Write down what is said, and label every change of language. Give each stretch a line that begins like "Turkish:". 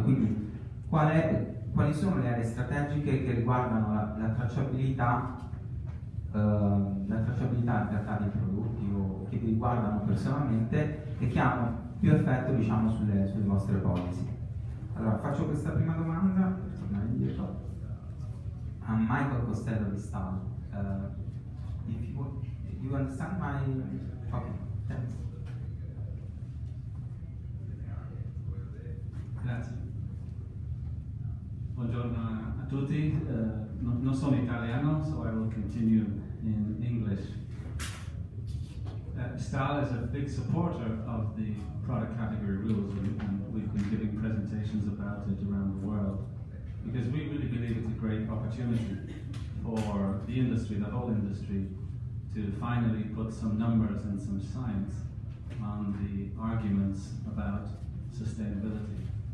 Italian: Quindi quali sono le aree strategiche che riguardano la tracciabilità in realtà dei prodotti o che vi riguardano personalmente e che hanno più effetto diciamo sulle vostre policy? Allora, faccio questa prima domanda per tornare indietro a Michael Costello di Stal.
English: If you want, do you understand my okay, thanks.
Italian: Grazie. Buongiorno a tutti. Non sono italiano,
English: so I will continue in English. Stal is a big supporter of the product category rules, and we've been giving presentations about it around the world because we really believe it's a great opportunity for the industry, the whole industry, to finally put some numbers and some science on the arguments about sustainability.